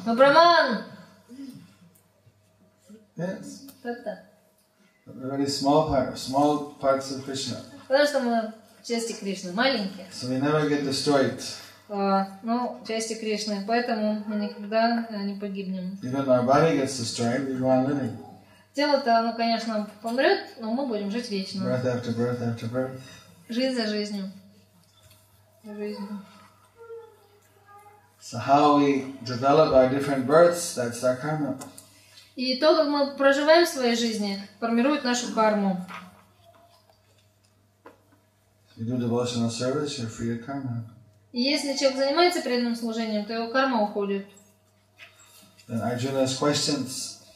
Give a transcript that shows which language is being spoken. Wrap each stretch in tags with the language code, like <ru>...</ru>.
<ru>Мы Брахман.</ru> <en>Yes. But very small parts of Krishna.</en> <ru>Потому что мы части Кришны, маленькие.</ru> <en>So we never get destroyed.</en> <ru>Ну, части Кришны, поэтому мы никогда не погибнем.</ru> <en>Even our body gets destroyed, we go on living.</en> <ru>Тело-то, оно, конечно, помрет, но мы будем жить вечно.</ru> <en>Birth after birth after birth.</en> <ru>Жизнь за жизнью.</ru> <en>So how we develop our different births, that's our karma.</en> <ru>И то, как мы проживаем в своей жизни, формирует нашу карму.</ru> <en>You do devotional service, you're free of karma.</en> <ru>И если человек занимается преданным служением, то его карма уходит.</ru> <en>Then Arjuna has questions.</en>